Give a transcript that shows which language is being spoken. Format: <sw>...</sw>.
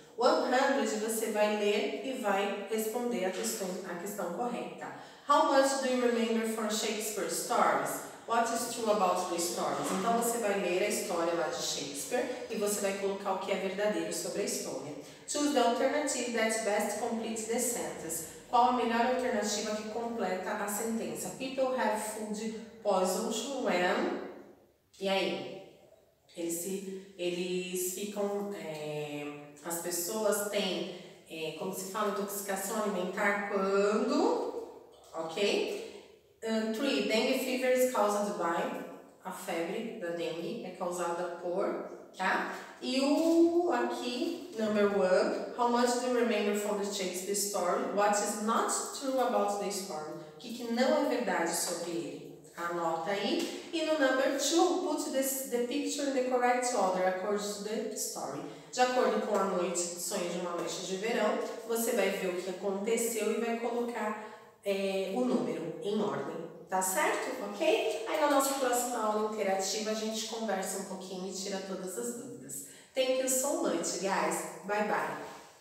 <pt>100 você vai ler e vai responder a questão correta.</pt> <en>How much do you remember from Shakespeare's stories? What is true about the stories?</en> <pt>Então, você vai ler a história lá de Shakespeare e você vai colocar o que é verdadeiro sobre a história.</pt> <en>Choose the alternative that best completes the sentence.</en> <pt>Qual a melhor alternativa que completa a sentença?</pt> <en>People have food poisoned when...</en> <pt>E aí? Eles ficam... as pessoas têm, como se fala, intoxicação alimentar quando... Ok? 3.</pt> <en>Dengue fever is caused by.</en> <pt>A febre da dengue é causada por. Tá? E o aqui,</pt> <en>number 1. How much do you remember from the Shakespeare story? What is not true about the story?</en> <pt>O que, que não é verdade sobre ele? Anota aí. E no</pt> <en>number 2. Put the picture in the correct order according to the story.</en> <pt>De acordo com a noite, sonho de uma noite de verão, você vai ver o que aconteceu e vai colocar. O número em ordem, tá certo? Ok? Aí na nossa próxima aula interativa a gente conversa um pouquinho e tira todas as dúvidas.</pt> <en>Thank you so much, guys. Bye bye.</en>